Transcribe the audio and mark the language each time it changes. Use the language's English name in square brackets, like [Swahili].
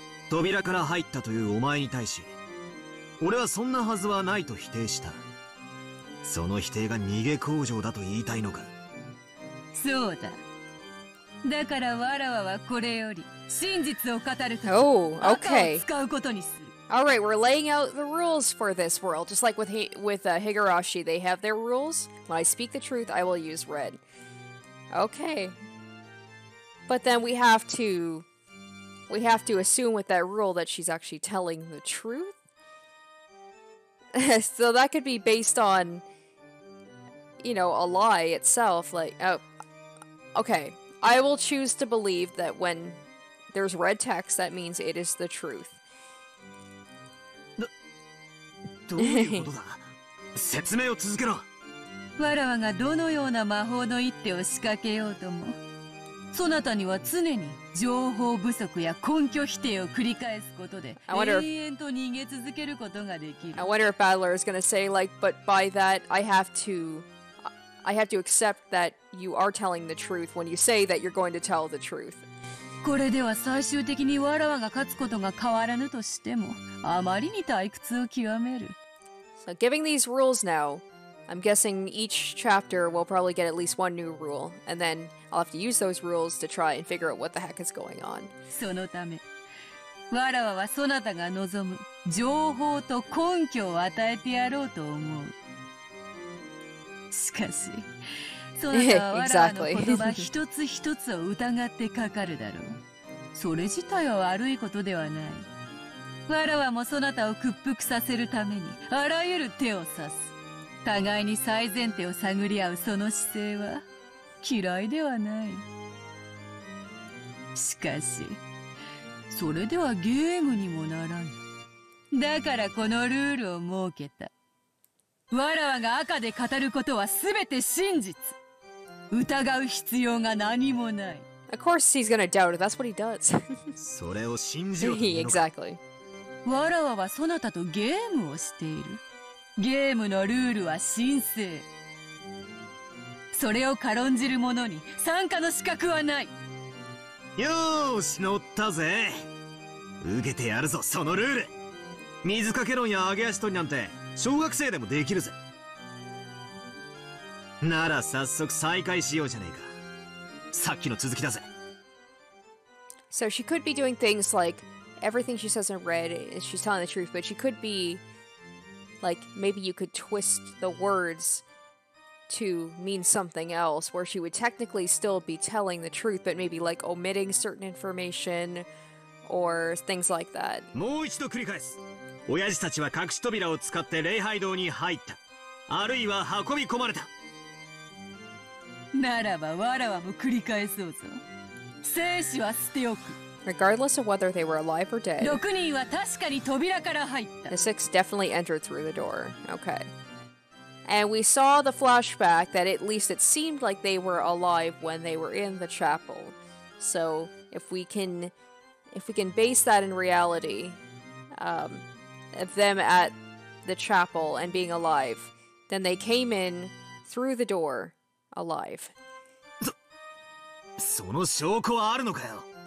[Japanese] 扉から入ったというお前に対し、俺はそんなはずはないと否定した。その否定が逃げ口上だと言いたいのか。そうだ。だからわらわはこれより真実を語るため、赤を使うことにする。 [English] All right, we're laying out the rules for this world. Just like with Higurashi, they have their rules. When I speak the truth, I will use red. Okay. But then we have to assume with that rule that she's actually telling the truth. So that could be based on, you know, a lie itself. Like, okay. I will choose to believe that when there's red text, that means it is the truth. [Japanese] どういうことだ。説明を続けろ。わらわがどのような魔法の一手を仕掛けようとも、そなたには常に情報不足や根拠否定を繰り返すことで永遠と逃げ続けることができる。 [English] I wonder if Battler is gonna say like, but by that I have to accept that you are telling the truth when you say that you're going to tell the truth. [Japanese] これでは最終的にわらわが勝つことが変わらぬとしても、あまりに退屈を極める。 [English] So giving these rules now, I'm guessing each chapter will probably get at least one new rule, and then I'll have to use those rules to try and figure out what the heck is going on. [Japanese] そのため、わらわはそなたが望む情報と根拠を与えてやろうと思う。しかし、そなたはわらわの言葉一つ一つを疑ってかかるだろう。それ自体は悪いことではない。わらわもそなたを屈服させるためにあらゆる手を指す。互いに最善手を探り合うその姿勢は嫌いではない。しかしそれではゲームにもならぬ。だからこのルールを設けた。わらわが赤で語ることは全て真実。疑う必要が何もない。 [English] Of course he's gonna doubt it. That's what he does. [Japanese] それを信じろ。 [English] Exactly. [Japanese] わらわはそなたとゲームをしている。ゲームのルールは神聖。それを軽んじる者に参加の資格はない。よーし、乗ったぜ。受けてやるぞ、そのルール。水かけ論や揚げ足取りなんて小学生でもできるぜ。なら早速再開しようじゃねえか。さっきの続きだぜ。 [English] So she could be doing things like everything she says in red is she's telling the truth, but she could be like maybe you could twist the words to mean something else where she would technically still be telling the truth, but maybe like omitting certain information or things like that. [Japanese] もう一度繰り返す。親父たちは隠し扉を使って礼拝堂に入った。あるいは運び込まれた。ならばわらわも繰り返そうぞ。生死は捨ておく。 [English] Regardless of whether they were alive or dead, [Japanese] 6人は確かに扉から入った。 [English] The six definitely entered through the door. Okay. And we saw the flashback that at least it seemed like they were alive when they were in the chapel. So if we can base that in reality, of them at the chapel and being alive, then they came in through the door alive. [Japanese] その証拠はあるのかよ?